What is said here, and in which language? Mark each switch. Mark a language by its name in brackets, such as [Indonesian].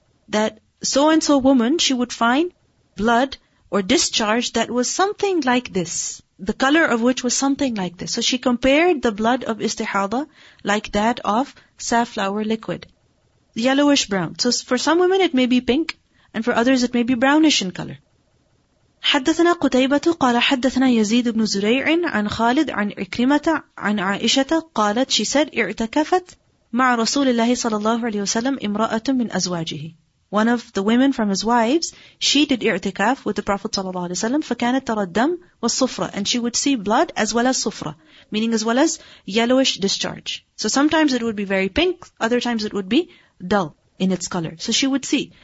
[English] that so-and-so woman, she would find blood or discharge that was something like this, the color of which was something like this. So she compared the blood of istihada like that of safflower liquid, yellowish brown. So for some women it may be pink, and for others it may be brownish in color. [Arabic] حدثنا قتيبة قال حدثنا يزيد بن زريع عن خالد عن إكرمة عن عائشة قالت [English] she said [Arabic] اعتكفت مع رسول الله صلى الله عليه وسلم امرأة من أزواجه. [English] One of the women from his wives, she did i'tikaf with the Prophet sallallahu alaihi wasallam, [Arabic] فَكَانَتْ تَرَدَّمْ وَالصُّفْرَ, [English] and she would see blood as well as sufra, meaning as well as yellowish discharge. So sometimes it would be very pink, other times it would be dull in its color. So she would see.